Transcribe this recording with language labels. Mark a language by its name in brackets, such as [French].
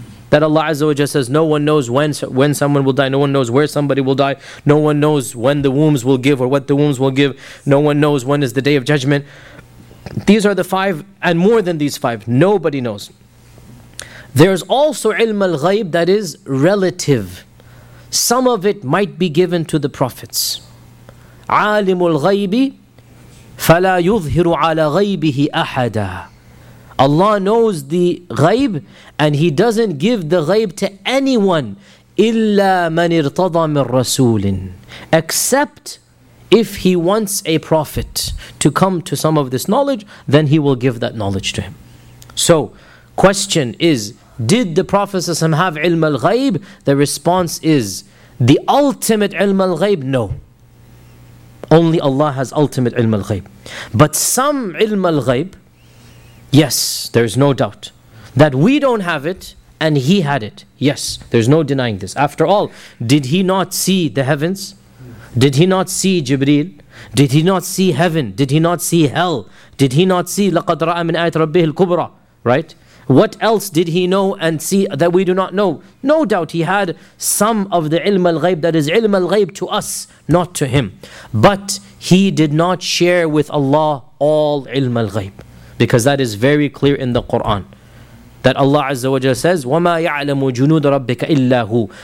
[English] That Allah Azza wa Jalla says, no one knows when someone will die, no one knows where somebody will die, no one knows when the wombs will give or what the wombs will give, no one knows when is the day of judgment. These are the five, and more than these five, nobody knows. There's also ilm al-ghayb that is relative. Some of it might be given to the prophets. [Arabic] عالم الغيب فلا يظهر على غيبه أحدا. [English] Allah knows the ghayb and He doesn't give the ghayb to anyone [Arabic] إلا من ارتضى من رسول, [English] except if he wants a prophet to come to some of this knowledge, then he will give that knowledge to him. So, question is, did the Prophet ﷺ have ilm al-ghayb? The response is, the ultimate ilm al-ghayb, no. Only Allah has ultimate ilm al-ghayb. But some ilm al-ghayb, yes, there is no doubt. That we don't have it, and he had it. Yes, there's no denying this. After all, did he not see the heavens? Did he not see Jibreel? Did he not see heaven? Did he not see hell? Did he not see [Arabic] لَقَدْ رَأَى مِنْ آيَةِ رَبِّهِ الْكُبْرَى? [English] Right? What else did he know and see that we do not know? No doubt he had some of the ilm al-ghayb, that is ilm al-ghayb to us, not to him. But he did not share with Allah all ilm al-ghayb. [Arabic] Because that is very clear in the Quran. [English] That Allah Azza wa Jalla says, [Arabic] وَمَا يَعْلَمُ جُنُودَ رَبِّكَ إِلَّا هُ.